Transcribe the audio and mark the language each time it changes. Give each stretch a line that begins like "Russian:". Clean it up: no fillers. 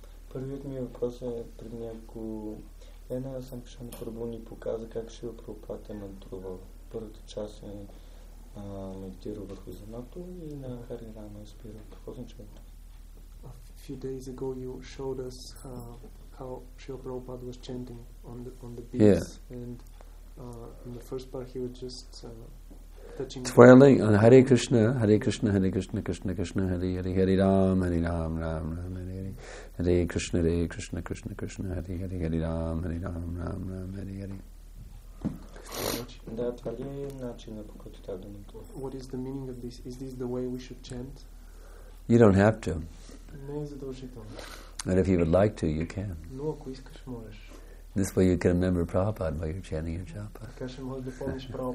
Bulgarian: Първият ми въпрос е пред някого. Една Санкшана Прабу ни показа как Шива Прабхупад е мантрувал. Първата част е медитирал върху земято и на Хари Рама е спирал. Какво значи това?
English: A few days ago you showed us how Шива Прабхупад was chanting on the beach. Yeah. And in the first part he was just twirling on
Sanskrit: Hare Krishna, Hare Krishna, Hare Krishna, Krishna Krishna, Hare Hare, Hare Ram, Hare Ram, Ram Ram, Hare Hare, Hare Krishna, Hare Krishna, Krishna Krishna, Hare Hare, Hare Ram, Hare Ram, Ram Ram, Hare Hare.
Bulgarian: Да, това ли е начинът, по който трябва да ни това?
English: What is the meaning of this? Is this the way we should chant? You don't have to.
Bulgarian: Не е задължително.
English: But if you would like to, you can.
Bulgarian: Но ако искаш, можеш.
English: This way you can remember Prabhupada while you're chanting your japa.